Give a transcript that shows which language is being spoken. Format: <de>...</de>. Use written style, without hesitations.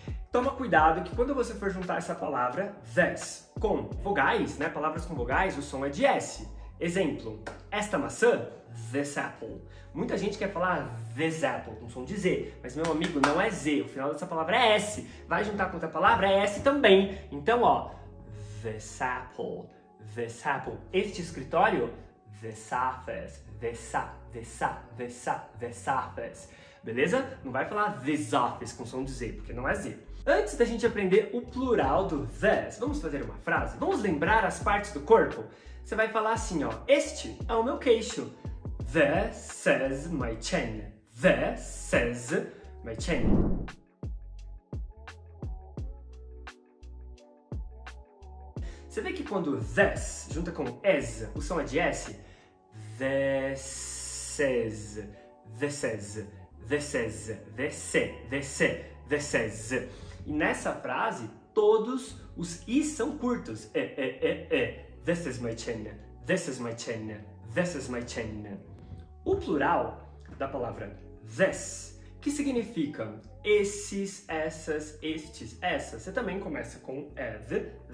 <pt>Toma cuidado que quando você for juntar essa palavra this com vogais, né, palavras com vogais, o som é de S. Exemplo, esta maçã,</pt> <en>this apple.</en> <pt>Muita gente quer falar this apple, com som de Z, mas meu amigo, não é Z, o final dessa palavra é S. Vai juntar com outra palavra, é S também. Então, ó,</pt> <en>this apple, this apple.</en> <pt>Este escritório,</pt> <en>this office, this, this, this, this office.</en> <pt>Beleza? Não vai falar</pt> <en>this office</en> <pt>com som de Z, porque não é Z. Antes da gente aprender o plural do this, vamos fazer uma frase? Vamos lembrar as partes do corpo? Você vai falar assim, ó, este é o meu queixo.</pt> <en>This is my chin. This is my chin.</en> <pt>Você vê que quando this junta com is, o som é de S?</pt> <en>This is, this is, this is, this is, this is, this is.</en> <pt>E nessa frase, todos os i's são curtos. E,</pt> <en>This is my chin.</en> <pt>This is my chin.</pt> <en>This is my chin.</en> <pt>O plural da palavra this, que significa esses, essas, estes, essas, você também começa com é, th.</pt>